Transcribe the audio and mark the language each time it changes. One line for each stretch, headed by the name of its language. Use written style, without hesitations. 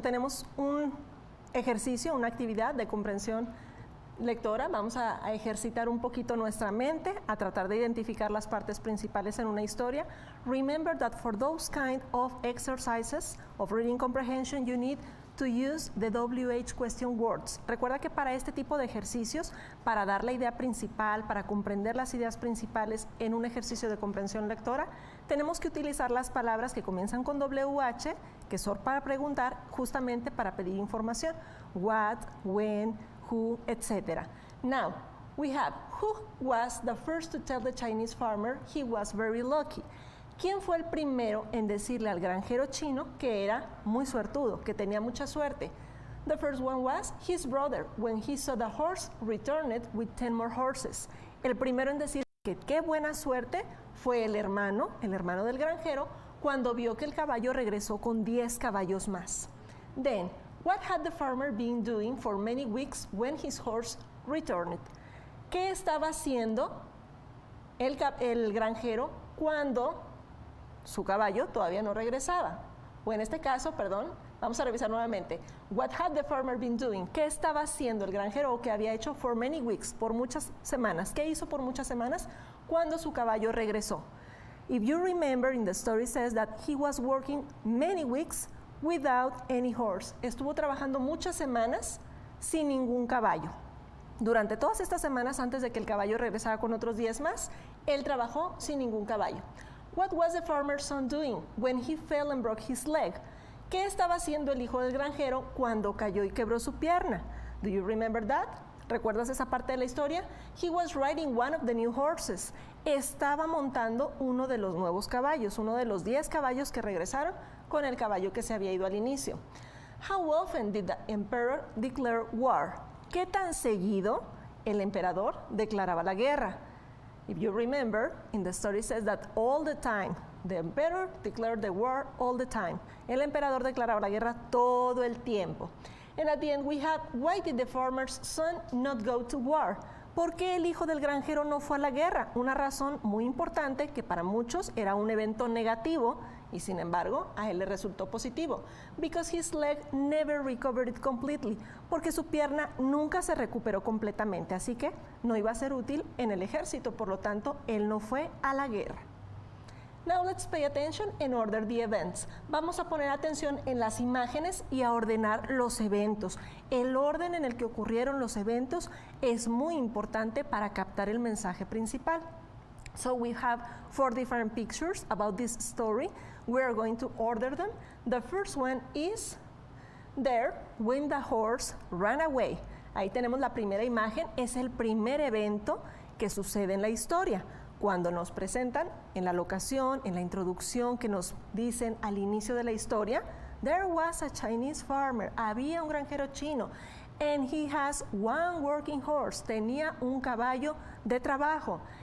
Spanish: Tenemos un ejercicio, una actividad de comprensión lectora. Vamos a ejercitar un poquito nuestra mente, a tratar de identificar las partes principales en una historia.
English: Remember that for those kind of exercises of reading comprehension, you need to use the WH question words.
Spanish: Recuerda que para este tipo de ejercicios, para dar la idea principal, para comprender las ideas principales en un ejercicio de comprensión lectora, tenemos que utilizar las palabras que comienzan con WH, que son para preguntar, justamente para pedir información.
English: What, when, who, etc. Now, we have, who was the first to tell the Chinese farmer he was very lucky?
Spanish: ¿Quién fue el primero en decirle al granjero chino que era muy suertudo, que tenía mucha suerte?
English: The first one was his brother, when he saw the horse returned with 10 more horses.
Spanish: El primero en decir que qué buena suerte fue el hermano del granjero, cuando vio que el caballo regresó con 10 caballos más.
English: Then, what had the farmer been doing for many weeks when his horse returned?
Spanish: ¿Qué estaba haciendo el granjero cuando su caballo todavía no regresaba? O en este caso, perdón, vamos a revisar nuevamente.
English: What had the farmer been doing?
Spanish: ¿Qué estaba haciendo el granjero o qué había hecho
English: for many weeks,
Spanish: por muchas semanas? ¿Qué hizo por muchas semanas cuando su caballo regresó?
English: If you remember, in the story says that he was working many weeks without any horse.
Spanish: Estuvo trabajando muchas semanas sin ningún caballo. Durante todas estas semanas, antes de que el caballo regresara con otros 10 más, él trabajó sin ningún caballo.
English: What was the farmer's son doing when he fell and broke his leg?
Spanish: ¿Qué estaba haciendo el hijo del granjero cuando cayó y quebró su pierna?
English: Do you remember that?
Spanish: ¿Recuerdas esa parte de la historia?
English: He was riding one of the new horses.
Spanish: Estaba montando uno de los nuevos caballos, uno de los 10 caballos que regresaron con el caballo que se había ido al inicio.
English: How often did the emperor declare war?
Spanish: ¿Qué tan seguido el emperador declaraba la guerra?
English: If you remember, in the story says that all the time, the emperor declared the war all the time.
Spanish: El emperador declaraba la guerra todo el tiempo.
English: And at the end we have, why did the farmer's son not go to war?
Spanish: ¿Por qué el hijo del granjero no fue a la guerra? Una razón muy importante que para muchos era un evento negativo y sin embargo a él le resultó positivo.
English: Because his leg never recovered completely.
Spanish: Porque su pierna nunca se recuperó completamente, así que no iba a ser útil en el ejército, por lo tanto él no fue a la guerra.
English: Now let's pay attention and order the events.
Spanish: Vamos a poner atención en las imágenes y a ordenar los eventos. El orden en el que ocurrieron los eventos es muy importante para captar el mensaje principal.
English: So we have 4 different pictures about this story. We are going to order them. The first one is there when the horse ran away.
Spanish: Ahí tenemos la primera imagen, es el primer evento que sucede en la historia. Cuando nos presentan en la locación, en la introducción que nos dicen al inicio de la historia,
English: there was a Chinese farmer,
Spanish: había un granjero chino,
English: and he has one working horse,
Spanish: tenía un caballo de trabajo.